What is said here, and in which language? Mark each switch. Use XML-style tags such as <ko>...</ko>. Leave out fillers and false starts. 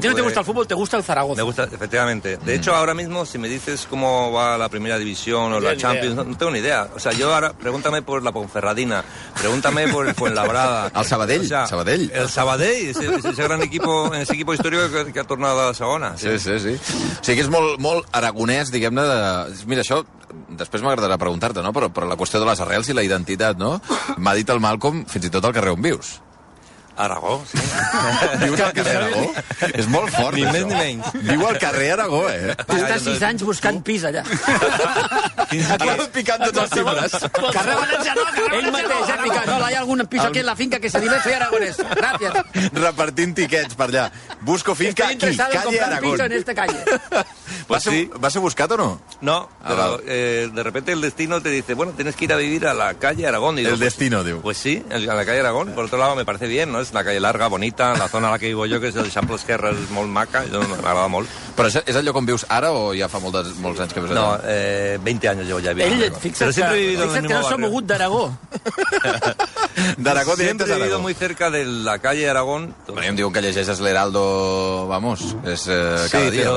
<es>puede... A ti no te gusta el fútbol, te gusta el Zaragoza. Me gusta, efectivamente. De hecho, ahora mismo, si me dices cómo va la Primera División o la Champions... No tengo ni idea. O sea, yo ahora... Pregúntame por la Ponferradina. Pregúntame por el Fuenlabrada. El Sabadell. O sea, Sabadell. El Sabadell. Ese gran equipo, ese equipo histórico que ha tornado a la segona. Sí.</es> <ca>O sigui, és molt aragonès, diguem-ne, de... Mira, això... Després m'agradarà preguntar-te, no? Però la qüestió de les arrels i la identitat, no? M'ha dit el Malcolm fins i tot al carrer on vius. Aragó, sí. Viu al carrer Aragó? És molt fort, ni això. Ni més ni menys. Viu al carrer Aragó, eh? Va, està 6 anys buscant pis allà. Picant tots els timbres. Carrer Valencià, no, ell mateix, picant. No, hi ha algun pis aquí a la finca que se li ve fer aragonès. Gràcies. Repartint tiquets per allà.</ca> <es>Busco finca aquí, calle Aragón.</es> <ca>Estic interessat en comprar pis en esta calle. Va ser buscat o no?</ca> <es>No, però de repente el destino te dice, bueno, tienes que ir a vivir a la calle Aragón. El destino, diu. Pues sí, a la calle Aragón. Por otro lado, me parece bien, ¿no?</es> <ca>És la calle larga, bonita, la zona a la que vivo jo, que és el Eixample Esquerra, és molt maca, m'agrada molt. Però és el lloc on vius ara o ja fa molts anys que vius allà? No, 20 anys jo ja vivo. Ell, fixa't que no s'ha mogut d'Aragó. D'Aragó directes a Aragó.</ca> <es>Sempre he vivido muy cerca de la calle Aragón.</es> <ca>Em diuen que llegeixes l'Heraldo, vamos, és cada dia.</ca>